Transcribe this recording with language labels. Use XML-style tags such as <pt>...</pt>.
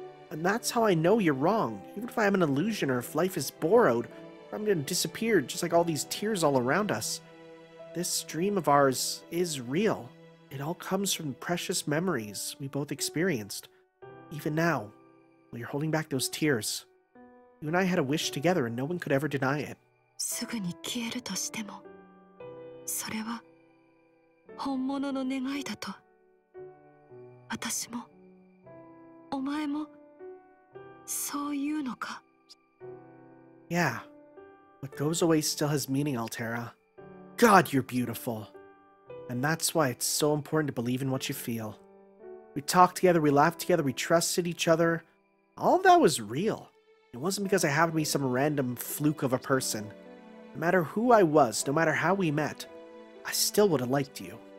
<en>And that's how I know you're wrong. Even if I am an illusion, or if life is borrowed, or I'm gonna disappear, just like all these tears all around us. This dream of ours is real. It all comes from precious memories we both experienced. Even now, while you're holding back those tears, you and I had a wish together, and no one could ever deny it.</en> <ja>すぐに消えるとしても、それは本物の願いだと。私もお前もそう言うのか。</ja> <en>Yeah, what goes away still has meaning, Altera. God, you're beautiful. And that's why it's so important to believe in what you feel. We talked together, we laughed together, we trusted each other. All of that was real. It wasn't because I happened to be some random fluke of a person. No matter who I was, no matter how we met, I still would have liked you.</en>